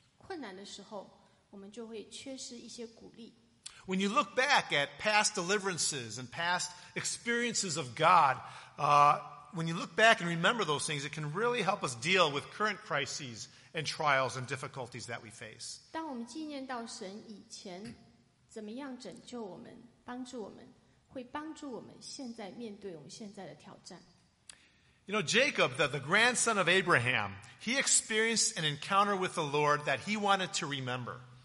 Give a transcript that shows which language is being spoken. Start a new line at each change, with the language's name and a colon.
Chinese: 而且当我们生命当中有困难的时候，我们就会缺失一些鼓励。
English: When you look back at past deliverances and past experiences of God, when you look back and remember those things, it can really help us deal with current crises and trials and difficulties that we face.
Chinese: 当我们纪念到神以前怎么样拯救我们，帮助我们，会帮助我们现在面对我们现在的挑战。
English: You know, Jacob, the grandson of Abraham, he experienced an encounter with the Lord that he wanted to remember.